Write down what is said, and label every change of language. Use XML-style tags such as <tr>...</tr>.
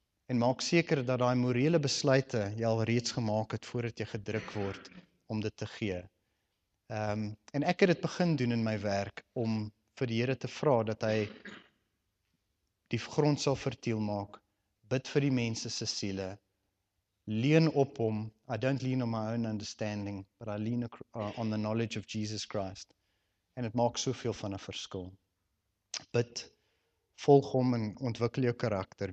<af>En maak seker dat daai morele besluite jy al reeds gemaak het voordat jy gedruk word om dit te gee. En ek het dit begin doen in my werk om vir die Here te vra dat hy die grond sal vertiel maak. Bid vir die mense se siele. Lean op hom.</af> <en>I don't lean on my own understanding, but I lean on the knowledge of Jesus Christ.</en> <af>En dit maak soveel van 'n verskil. Bid, volg hom en ontwikkel jou karakter.</af>